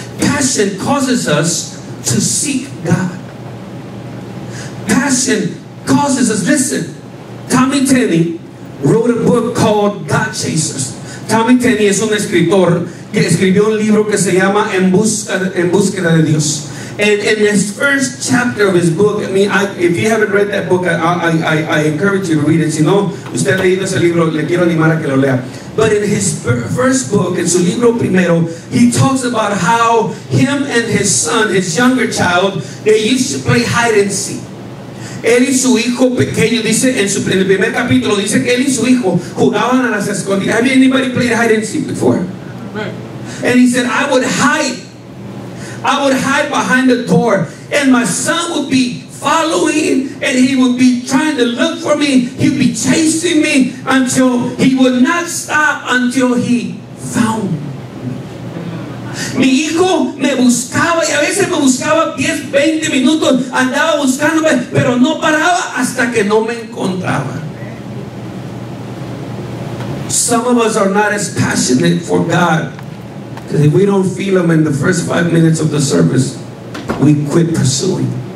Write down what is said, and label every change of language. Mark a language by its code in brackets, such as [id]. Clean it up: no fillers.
[en] Passion causes us to seek God. Passion causes us, listen, Tommy Tenney wrote a book called God Chasers. [es] Tommy Tenney es un escritor que escribió un libro que se llama En Búsqueda de Dios. [en] And in this first chapter of his book, I mean, if you haven't read that book, I encourage you to read it. [es] Si no, usted ha leído ese libro, le quiero animar a que lo lea. [en] But in his first book, [es] en su libro primero, [en] he talks about how him and his son, his younger child, they used to play hide and seek. [es] Él y su hijo pequeño, dice, en el primer capítulo, dice que él y su hijo jugaban a las escondidas. [en] Have anybody played hide and seek before? And he said, I would hide behind the door, and my son would be following, and he would be trying to look for me. He'd be chasing me until he would not stop until he found me. [es] Mi hijo me buscaba, y a veces me buscaba 10, 20 minutos, andaba buscándome, pero no paraba hasta que no me encontraba. [en] Some of us are not as passionate for God. Because if we don't feel them in the first 5 minutes of the service, we quit pursuing.